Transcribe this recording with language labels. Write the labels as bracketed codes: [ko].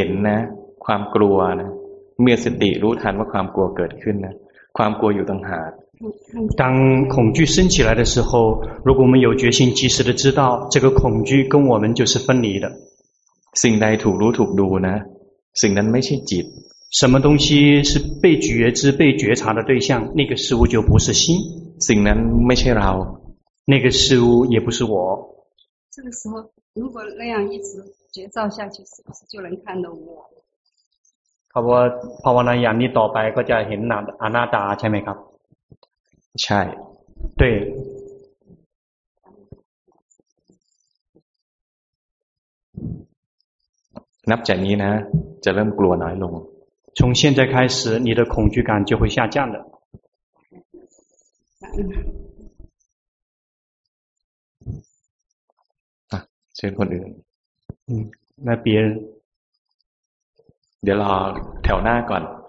[th] นนะความกลัวนะเมื่อสติรู้ทันว่าความกลัวเกิดขึ้นนะความกลัวอยู่ต่างหาก [zh] 当恐惧升起来的时候如果我们有决心及时的知道这个恐惧跟我们就是分离的 [th] สิ่งใดถูกรู้ถูกดูนะสิ่งนั้นไม่ใช่จิต [zh] 什么东西是被觉知被觉察的对象那个事物就不是心 [th] สิ่งนั้นไม่ใช่เรา [zh] 那个事物也不是我这个时候如果那样一直觉照下去是不是就能看到我 [th] ภาวะภาวนาอย่างนี้ต่อไปก็จะเห็นอนัตตาใช่ไหมครับ ใช่ [zh] 对 [th] นับจากนี้นะจะเริ่มกลัวน้อยลง [zh] 从现在开始你的恐惧感就会下降的 [th] 啊เชิญคนอื่น แม่เปีย เดี๋ยวรอแถวหน้าก่อน